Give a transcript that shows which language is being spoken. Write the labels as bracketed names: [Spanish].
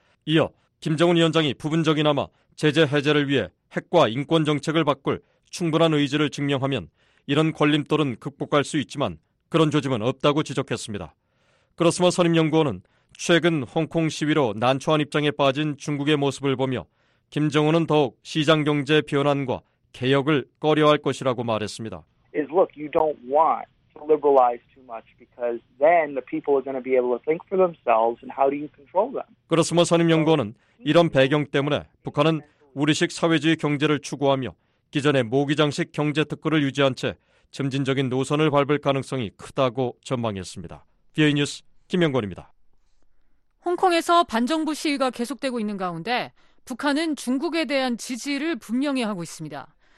[Korean] 이어 김정은 위원장이 부분적이나마 제재 해제를 위해 핵과 인권 정책을 바꿀 충분한 의지를 증명하면 이런 걸림돌은 극복할 수 있지만 그런 조짐은 없다고 지적했습니다. 그렇으면 선임연구원은 최근 홍콩 시위로 난처한 입장에 빠진 중국의 모습을 보며 김정은은 더욱 시장 경제 변환과 개혁을 꺼려할 것이라고 말했습니다. [English] Is look, you don't want to liberalize too much because then the people are going to be able to think for themselves and how do you control them? [Korean] 그렇으면 선임연구원은 이런 배경 때문에 북한은 우리식 사회주의 경제를 추구하며 기존의 모기장식 경제 특구를 유지한 채 점진적인 노선을 밟을 가능성이 크다고 전망했습니다. VOA 뉴스 김영권입니다. 홍콩에서 반정부 시위가 계속되고 있는 가운데 북한은 중국에 대한 지지를 분명히 하고 있습니다.